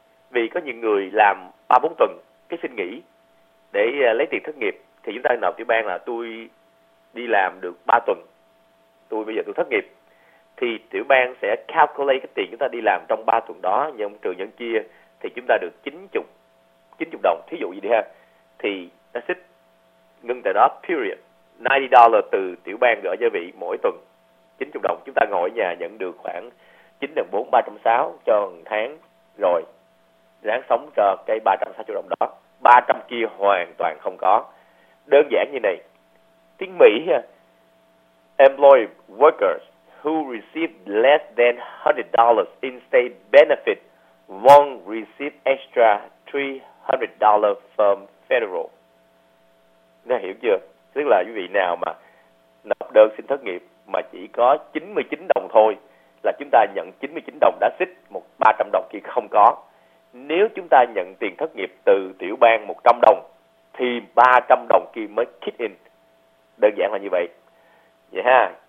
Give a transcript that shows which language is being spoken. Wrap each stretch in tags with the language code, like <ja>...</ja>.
<vi>Vì có những người làm 3-4 tuần, cái xin nghỉ để lấy tiền thất nghiệp, thì chúng ta nộp tiểu bang là tôi đi làm được 3 tuần, tôi bây giờ tôi thất nghiệp, thì tiểu bang sẽ calculate cái tiền chúng ta đi làm trong 3 tuần đó, nhân trừ nhân chia, thì chúng ta được 90 đồng, thí dụ gì đi ha, thì nó xích ngưng tại đó, period. $90 từ tiểu bang gửi cho vị mỗi tuần, 90 đồng, chúng ta ngồi ở nhà nhận được khoảng 9 x 4 = 360 cho tháng rồi, ráng sống cho cái 360 đồng đó. 300 kia hoàn toàn không có. Đơn giản như này, tiếng Mỹ,</vi> <en>employee workers who receive less than $100 in state benefit won't receive extra $300 from federal.</en> <vi>Nghe hiểu chưa? Tức là quý vị nào mà nộp đơn xin thất nghiệp mà chỉ có 99 đồng thôi, là chúng ta nhận 99 đồng đã xích, 300 đồng kia không có. Nếu chúng ta nhận tiền thất nghiệp từ tiểu bang 100 đồng, thì 300 đồng kia mới kick in. Đơn giản là như vậy. Vậy ha.</vi>